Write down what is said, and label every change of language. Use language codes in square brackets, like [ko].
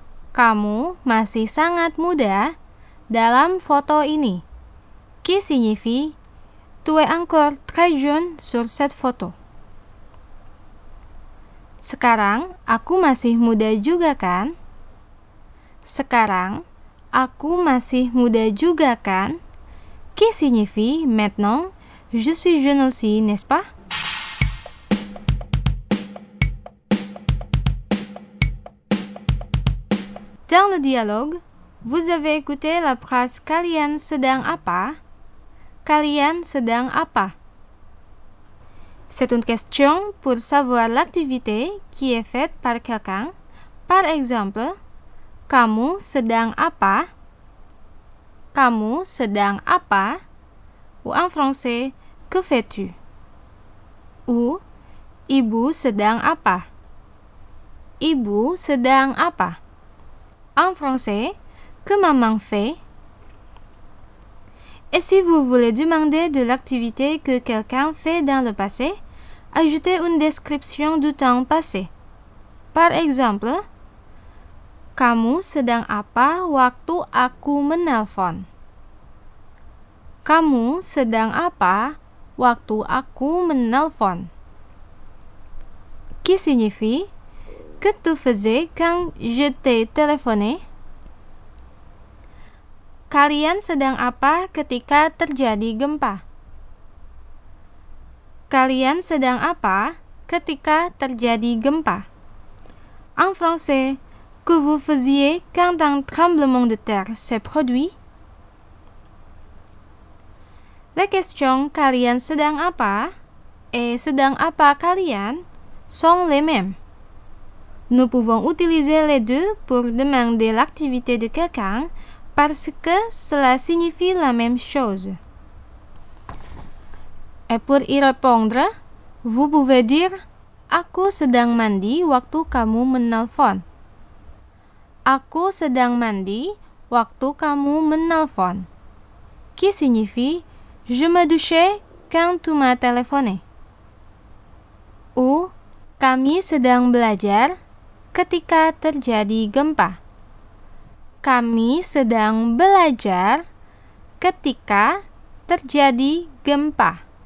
[id] Kamu masih sangat muda dalam foto ini. [fr] Qui signifie « Tu es encore très jeune sur cette photo. » [id] Sekarang aku masih muda juga kan? Sekarang aku masih muda juga kan? [fr] Qui signifie « Maintenant, je suis jeune aussi, n'est-ce pas ?» Dans le dialogue, vous avez écouté la phrase « [id] Kalian sedang apa ?»« Kalian sedang apa ?» [fr] C'est une question pour savoir l'activité qui est faite par quelqu'un. Par exemple, « [id] Kamu sedang apa ?» Kamu sedang apa? [fr] Ou en français, que fais-tu? [id] Ou, ibu sedang apa? Ibu sedang apa? [fr] En français, que maman fait? Et si vous voulez demander de l'activité que quelqu'un fait dans le passé, ajoutez une description du temps passé. Par exemple, [id] kamu sedang apa waktu aku menelpon? Kamu sedang apa waktu aku menelpon? [fr] Qui signifie que tu faisais quand je t'ai téléphoné? [id] Kalian sedang apa ketika terjadi gempa? Kalian sedang apa ketika terjadi gempa? [fr] En français, que vous faisiez quand un tremblement de terre s'est produit? Les questions « [id] Kalian sedang apa ?» [fr] et « [id] Sedang apa kalian ?» [fr] sont les mêmes. Nous pouvons utiliser les deux pour demander l'activité de quelqu'un parce que cela signifie la même chose. Et pour y répondre, vous pouvez dire [id] Aku sedang mandi waktu kamu menelpon. Aku sedang mandi waktu kamu menelpon. [fr] Qui signifie Je me douchais quand tu m'as téléphoné. [id] Ou Kami sedang belajar ketika terjadi gempa. Kami sedang belajar ketika terjadi gempa.